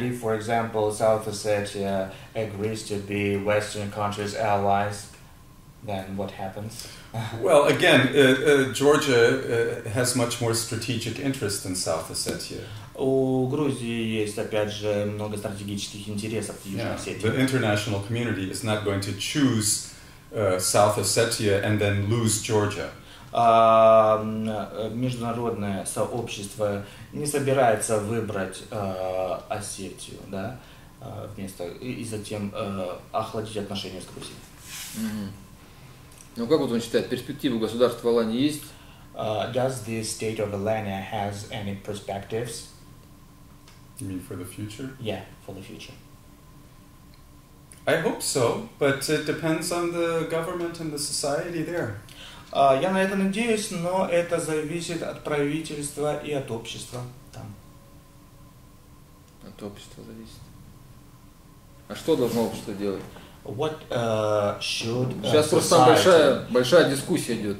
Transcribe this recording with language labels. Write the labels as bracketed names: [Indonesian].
[English] And if, for example, South Ossetia agrees to be Western countries' allies, then what happens? Well, again, Georgia has much more strategic interest than South Ossetia. [Russian] У Грузии есть, опять же, много стратегических интересов в Южной Осетии. [English] The international community is not going to choose South Ossetia and then lose Georgia. [Russian] Международное сообщество не собирается выбрать Осетию, да, вместо и затем охладить отношения с Грузией. Mm-hmm. Ну как вот он считает, перспективы государства Алании есть? [English] Does the state of Alania has any perspectives? You mean for the future? Yeah, for the future. I hope so, but it depends on the government and the society there. [Russian] Я на это надеюсь, но это зависит от правительства и от общества там. От общества зависит. А что должно общество делать? [English] What, should [Russian] сейчас просто там большая дискуссия идет.